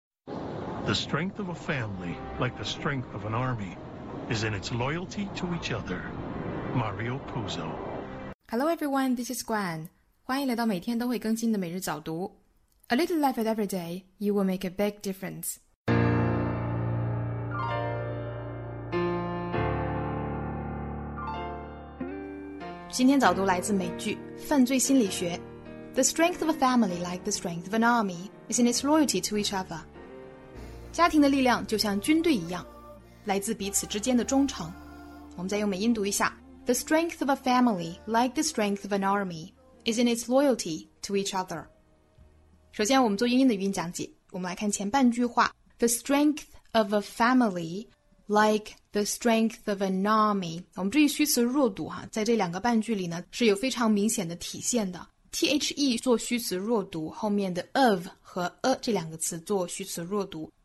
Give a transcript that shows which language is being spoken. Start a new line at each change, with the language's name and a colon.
English: The strength of a family, like the strength of an army, is in its loyalty to each other. Mario Puzo. Hello everyone, this is Gwen.
Chinese: 欢迎来到每天都会更新的每日早读。
English: A little life at every day, you will make a big difference. Today's
Chinese: 早读来自美剧《犯罪心理学》。
English: The strength of a family, like the strength of an army, is in its loyalty to each other.
Chinese: 家庭的力量就像军队一样，来自彼此之间的忠诚。我们再用美音读一下
English: ：The strength of a family, like the strength of an army, is in its loyalty to each other.
Chinese: 首先，我们做英音的语音讲解。我们来看前半句话
English: ：The strength of a family, like the strength of an army.
Chinese: 我们注意虚词弱读哈，在这两个半句里呢，是有非常明显的体现的。 The 做虚词弱读，后面的 of 和 a 这两个词做虚词弱读。